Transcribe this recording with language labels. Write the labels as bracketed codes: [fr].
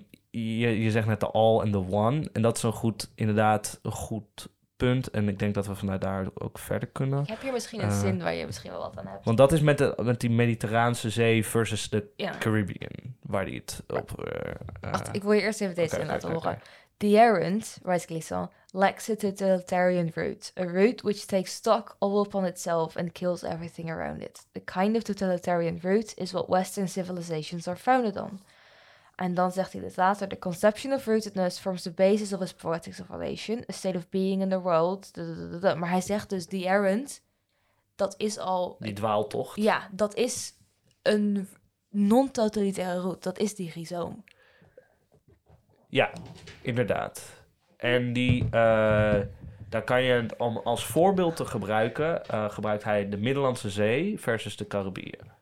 [nl] Je zegt net de all en de one. En dat is inderdaad een goed punt. En ik denk dat we vanuit daar ook verder kunnen. Heb je misschien een zin waar je misschien wel wat aan hebt? Want dat is met die Mediterraanse zee versus de Caribbean. Waar die het op... Ik wil je eerst even deze zin laten horen. [en] The errant, writes Glissant, lacks a totalitarian root. A root which takes stock all upon itself and kills everything around it. The kind of totalitarian root is what Western civilizations are founded on. [nl] En dan zegt hij dit later. [en] The conception of rootedness forms the basis of his poetics of relation. A state of being in the world. [nl] Maar hij zegt dus, the errant, dat is al... Die dwaaltocht. Ja, dat is een non-totalitaire root. Dat is die rhizoom. Ja, inderdaad. En die, daar kan je om als voorbeeld te gebruiken, gebruikt hij de Middellandse Zee versus de Caribbean.